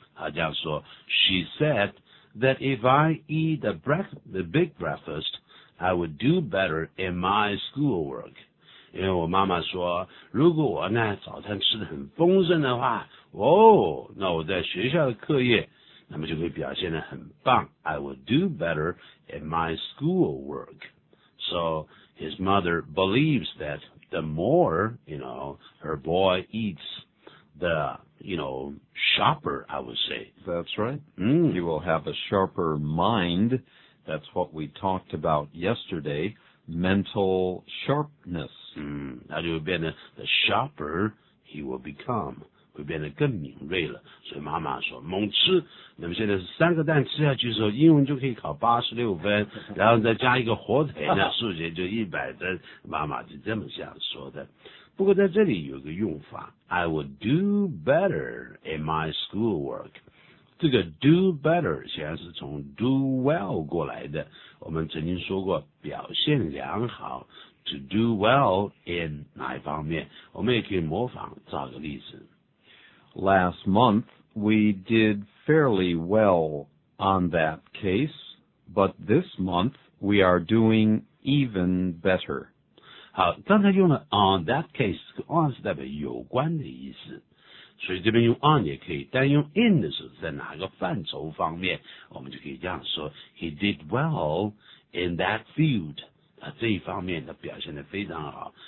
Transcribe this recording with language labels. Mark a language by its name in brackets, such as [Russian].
[Chinese] 他这样说 [English] She said that if I eat the big breakfast, I would do better in my schoolwork. [Chinese] 因为我妈妈说如果我呢早餐吃得很丰盛的话哦，那我在学校的课业那么就会表现得很棒 [English] I would do better in my schoolwork. So,His mother believes that the more, you know, her boy eats, the, you know, sharper, I would say. That's right. He will have a sharper mind. That's what we talked about yesterday. Mental sharpness. That you've been the sharper he will become. We've been a [Chinese] 更敏锐了。所以妈妈说猛吃。那么现在是三个蛋吃下去的时候英文就可以考86分然后再加一个火腿那数学就100分妈妈就这么想说的。不过在这里有个用法 [English] I would do better in my schoolwork. [Chinese] 这个 do better 实际上是从 do well 过来的。我们曾经说过表现良好 to do well in 哪一方面，我们也可以模仿造个例子。 [English] Last month, we did fairly well on that case, but this month, we are doing even better. [Chinese] 好，刚才用了 on that case, on 是代表有关的意思。所以这边用 on 也可以，但用 in 的时候在哪个范畴方面，我们就可以这样说 [English] He did well in that field、 [Chinese] 啊、这一方面他表现得非常好。